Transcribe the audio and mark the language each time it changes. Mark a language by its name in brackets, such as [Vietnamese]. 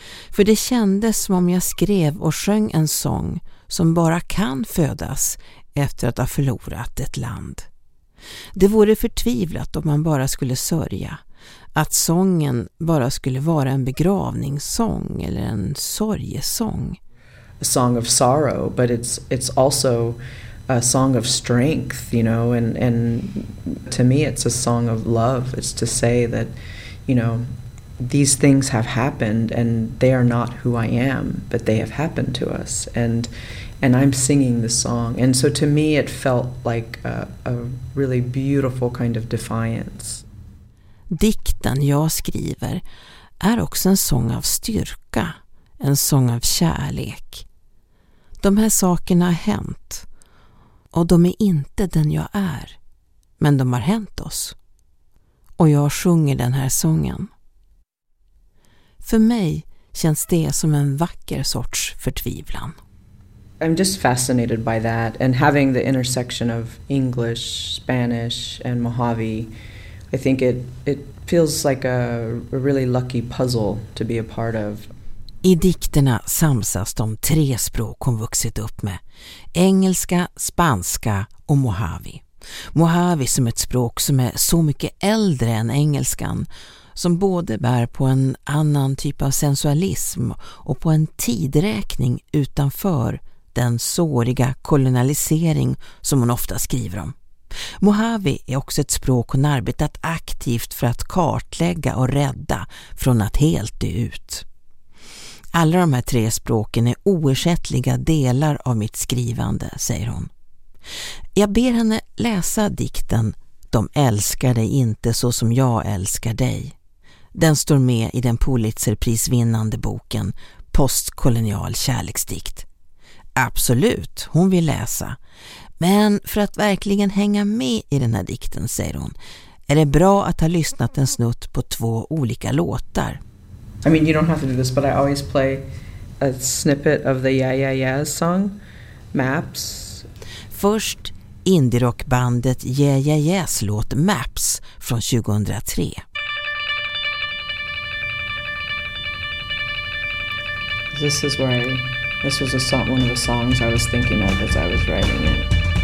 [Swedish] För det kändes som om jag skrev och sjöng en sång som bara kan födas efter att ha förlorat ett land. Det vore förtvivlat om man bara skulle sörja, att sången bara skulle vara en begravningssång eller en sorgesång. [English] A song of sorrow, but it's also a song of strength, you know, and to me it's a song of love. It's to say that, you know, these things have happened and they are not who I am, but they have happened to us, and I'm singing the song. And so to me it felt like a really beautiful kind of defiance. [Swedish] Dikten jag skriver är också en sång av styrka, en sång av kärlek. De här sakerna har hänt, och de är inte den jag är, men de har hänt oss. Och jag sjunger den här sången. För mig känns det som en vacker sorts förtvivlan. [English] I'm just fascinated by that, and having the intersection of English, Spanish and Mojave, I think it feels like a really lucky puzzle to be a part of. [Swedish] I dikterna samsas de tre språk hon vuxit upp med. Engelska, spanska och Mojave. Mojave som ett språk som är så mycket äldre än engelskan, som både bär på en annan typ av sensualism och på en tidräkning utanför den såriga kolonialisering som hon ofta skriver om. Mojave är också ett språk hon arbetat aktivt för att kartlägga och rädda från att helt dö ut. Alla de här tre språken är oersättliga delar av mitt skrivande, säger hon. Jag ber henne läsa dikten "De älskar dig inte så som jag älskar dig". Den står med i den Pulitzerprisvinnande boken Postkolonial kärleksdikt. Absolut, hon vill läsa. Men för att verkligen hänga med i den här dikten, säger hon, är det bra att ha lyssnat en snutt på två olika låtar. [English] I mean, you don't have to do this, but I always play a snippet of the Yeah Yeah Yeahs song, Maps. [Swedish] Först indie-rockbandet Yeah Yeah Yeahs låt Maps från 2003. [English] This is where this was a song, one of the songs I was thinking of as I was writing it.